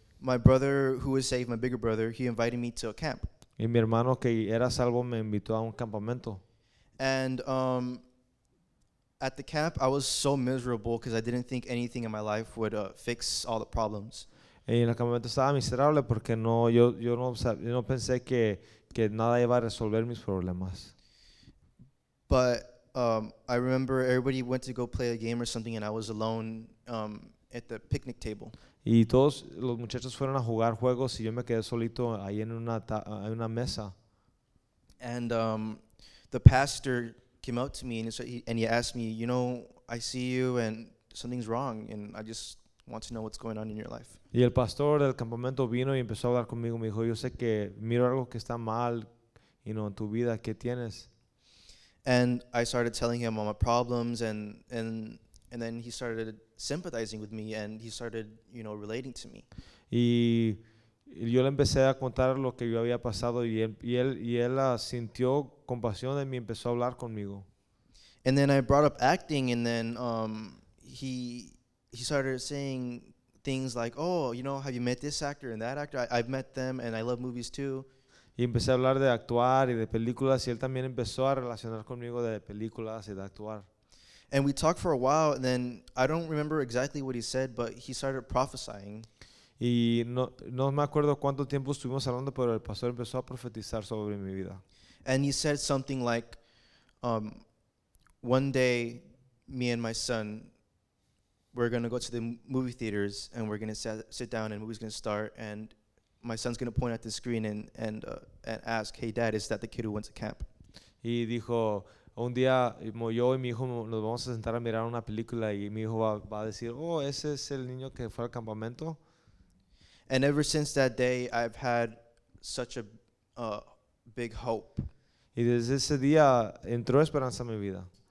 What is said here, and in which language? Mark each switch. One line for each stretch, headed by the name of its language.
English: My brother, who was saved, my bigger brother, he invited me to a camp.
Spanish: Y mi hermano que era salvo me invitó a un campamento.
English: And at the camp, I was so miserable because I didn't think anything in my life would fix all the problems.
Spanish: Y en el campamento estaba miserable porque yo no pensé que nada iba a resolver mis problemas.
English: But I remember everybody went to go play a game or something, and I was alone at the picnic table.
Spanish: Y todos los muchachos fueron a jugar juegos y yo me quedé solito ahí en una mesa.
English: And the pastor came up to me and he asked me, you know, I see you and something's wrong and I just want to know what's going on in your life.
Spanish: Y el pastor del campamento vino y empezó a hablar conmigo. Me dijo, yo sé que miro algo que está mal,
English: you know,
Spanish: en tu vida, ¿qué tienes?
English: And I started telling him all my problems and then he started sympathizing with me and he started, you know, relating to me.
Spanish: Y yo le empecé a contar lo que yo había pasado y él sintió compasión de mí y empezó a hablar conmigo.
English: And then I brought up acting and then he started saying things like, oh, you know, have you met this actor and that actor? I've met them and I love movies too.
Spanish: Y empecé a hablar de actuar y de películas y él también empezó a relacionar conmigo de películas y de actuar.
English: And we talked for a while and then I don't remember exactly what he said, but he started prophesying.
Spanish: Y no me acuerdo cuánto tiempo estuvimos hablando, pero el pastor empezó a profetizar sobre mi vida.
English: And he said something like, one day me and my son, we're going to go to the movie theaters and we're going to sit down and the movie's going to start and my son's going to point at the screen and ask, hey dad, is that the kid who went to camp?
Spanish: Y dijo, un día yo y mi hijo nos vamos a sentar a mirar una película y mi hijo va a decir, oh, ese es el niño que fue al campamento.
English: And ever since that day, I've had such a big hope.
Spanish: Y desde ese día entró esperanza a mi vida.